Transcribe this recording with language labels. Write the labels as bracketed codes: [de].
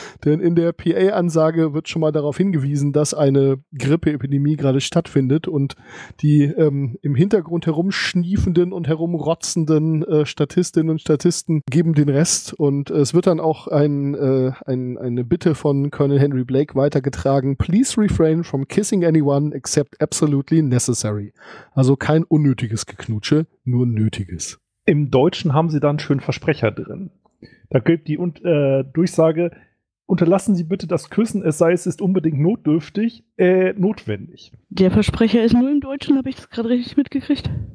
[de] Denn in der PA-Ansage wird schon mal darauf hingewiesen, dass eine Grippeepidemie gerade stattfindet und die im Hintergrund herumschniefenden und herumrotzenden Statistinnen und Statisten geben den Rest. Und es wird dann auch eine Bitte von Colonel Henry Blake weitergetragen. [en] Please refrain from kissing anyone except absolutely necessary. [de] Also kein unnötiges Geknüpfen. Nutsche, nur Nötiges. Im Deutschen haben sie dann schön Versprecher drin. Da gilt die Durchsage, unterlassen Sie bitte das Küssen, es sei, es ist unbedingt notwendig. Der Versprecher ist nur im Deutschen, habe ich das gerade richtig mitgekriegt?